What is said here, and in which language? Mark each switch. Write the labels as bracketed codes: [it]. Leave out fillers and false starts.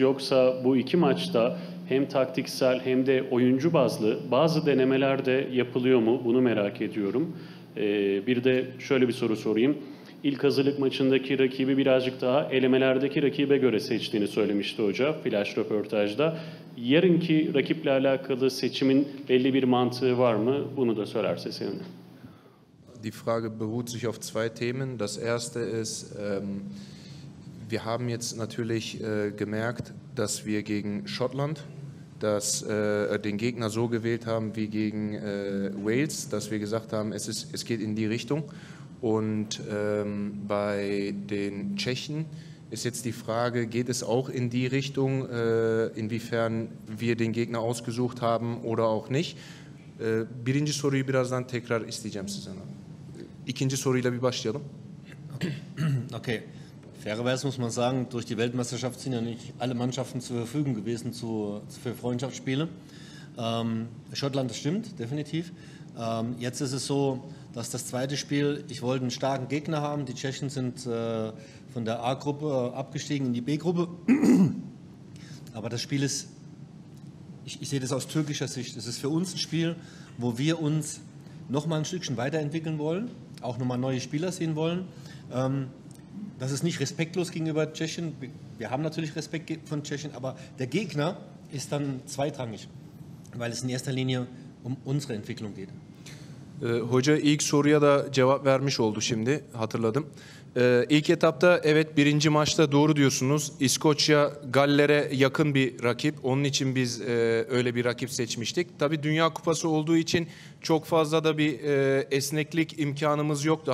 [tr] Yoksa bu iki maçta hem taktiksel hem de oyuncu bazlı bazı denemeler de yapılıyor mu? Bunu merak ediyorum. Bir de şöyle bir soru sorayım. ilk hazırlık maçındaki rakibi birazcık daha elemelerdeki rakibe göre seçtiğini söylemişti hoca flash röportajda. Yarınki rakiple alakalı seçimin belli bir mantığı var mı? Bunu da söylerse sevinirim. [de] Die Frage beruht sich auf zwei Themen. Das erste ist, wir haben jetzt natürlich gemerkt, dass wir gegen Schottland den Gegner so gewählt haben wie gegen Wales, dass wir gesagt haben, es geht in die Richtung. Und bei den Tschechen ist jetzt die Frage, geht es auch in die Richtung, inwiefern wir den Gegner ausgesucht haben oder auch nicht. [tr] Birinci soruyu birazdan tekrar isteyeceğim sizden. İkinci soruyla bir başlayalım. Okay. [de] Fairerweise muss man sagen, durch die Weltmeisterschaft sind ja nicht alle Mannschaften zur Verfügung gewesen für Freundschaftsspiele. Schottland, das stimmt, definitiv. Jetzt ist es so, dass das zweite Spiel, ich wollte einen starken Gegner haben. Die Tschechen sind von der A-Gruppe abgestiegen in die B-Gruppe. Aber das Spiel ist, ich sehe das aus türkischer Sicht, es ist für uns ein Spiel, wo wir uns nochmal ein Stückchen weiterentwickeln wollen, auch nochmal neue Spieler sehen wollen. Das ist nicht respektlos gegenüber Tschechien. Wir haben natürlich Respekt von Tschechien, aber der Gegner ist dann zweitrangig, weil es in erster Linie um unsere Entwicklung geht. [tr] Hoca ilk soruya da cevap vermiş oldu şimdi, hatırladım. İlk etapta evet birinci maçta doğru diyorsunuz. İskoçya Galler'e yakın bir rakip. Onun için biz öyle bir rakip seçmiştik. Tabii Dünya Kupası olduğu için çok fazla da bir esneklik imkanımız yoktu.